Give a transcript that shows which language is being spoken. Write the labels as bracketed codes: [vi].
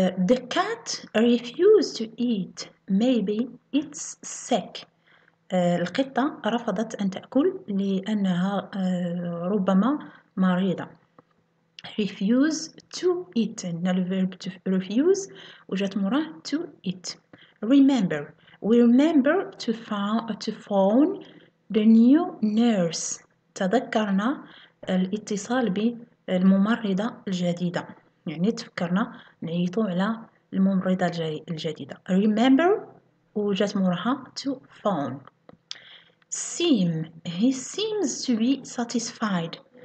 [en] the cat refused to eat maybe it's sick. [ar] القطة رفضت أن تأكل لأنها ربما مريضة. [en] refuse to eat عندنا الverb to refuse وجات مراه to eat. remember we remember to phone the new nurse. [ar] تذكرنا الاتصال بالممرضة الجديدة يعني تفكرنا نعيطو على الممرضة الجديدة. [en] remember وجات مراها to phone. seem he seems to be satisfied.